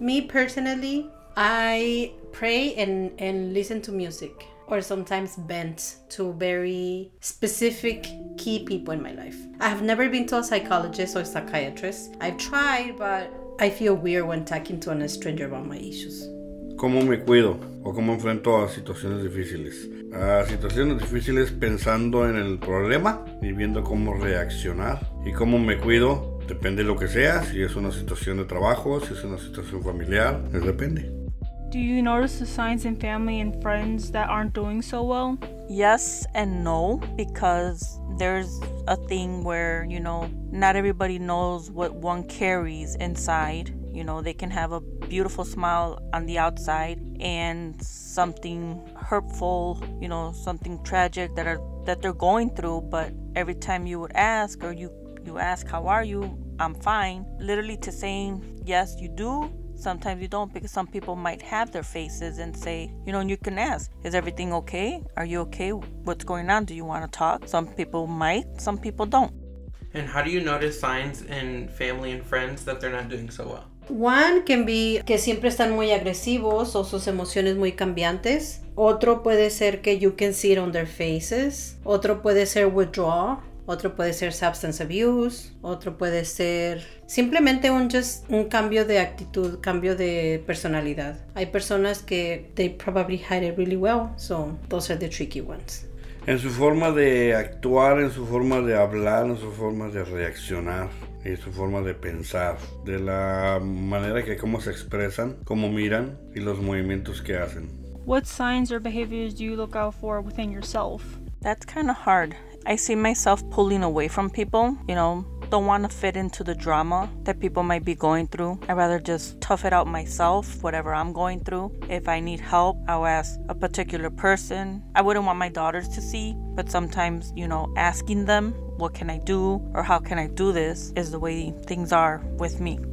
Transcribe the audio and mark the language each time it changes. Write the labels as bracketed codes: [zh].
[en] Me personally, I pray and listen to music, or sometimes vent to very specific key people in my life. I have never been to a psychologist or a psychiatrist. I've tried, but I feel weird when talking to a stranger about my issues. [es] ¿Cómo me cuido? ¿O cómo enfrento a situaciones difíciles? A situaciones difíciles pensando en el problema y viendo cómo reaccionar. ¿Y cómo me cuido? Depende de lo que sea, si es una situación de trabajo, si es una situación familiar, es depende. [en] Do you notice the signs in family and friends that aren't doing so well? Yes and no, because there's a thing where, you know, not everybody knows what one carries inside. You know, they can have a beautiful smile on the outside and something hurtful, you know, something tragic that they're going through. But every time you would ask, or you ask, how are you? I'm fine. Literally to saying, yes, you do. Sometimes you don't, because some people might have their faces and say, you know, and you can ask, is everything okay? Are you okay? What's going on? Do you want to talk? Some people might, some people don't. And how do you notice signs in family and friends that they're not doing so well? One can be [es] que siempre están muy agresivos o sus emociones muy cambiantes. Otro puede ser que [en] you can see it on their faces. [es] Otro puede ser withdrawal. Otro puede ser substance abuse. Otro puede ser simplemente un cambio de actitud, cambio de personalidad. Hay personas que [en] they probably hide it really well. So those are the tricky ones. [es] En su forma de actuar, en su forma de hablar, en su forma de reaccionar, en su forma de pensar, de la manera que cómo se expresan, cómo miran y los movimientos que hacen. [en] What signs or behaviors do you look out for within yourself? That's kind of hard. I see myself pulling away from people, you know, don't want to fit into the drama that people might be going through. I'd rather just tough it out myself, whatever I'm going through. If I need help, I'll ask a particular person. I wouldn't want my daughters to see, but sometimes, you know, asking them, what can I do or how can I do this is the way things are with me.